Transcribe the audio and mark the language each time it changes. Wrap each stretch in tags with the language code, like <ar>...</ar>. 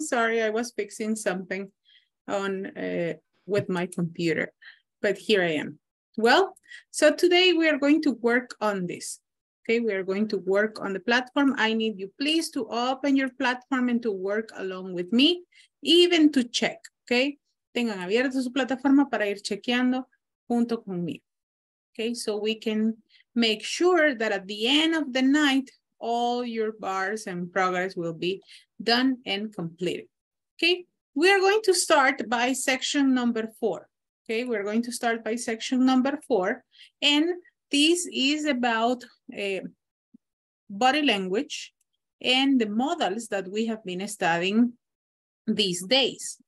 <en>Sorry, I was fixing something on with my computer, but here I am. Well, so today we are going to work on this. Okay, we are going to work on the platform. I need you please to open your platform and to work along with me, even to check.</en> <es>Okay, tengan abierta su plataforma para ir chequeando junto conmigo.</es> <en>Okay, so we can make sure that at the end of the night, all your bars and progress will be done and completed. Okay, we are going to start by section number 4. Okay, we're going to start by section number 4. And this is about body language and the models that we have been studying these days.</en>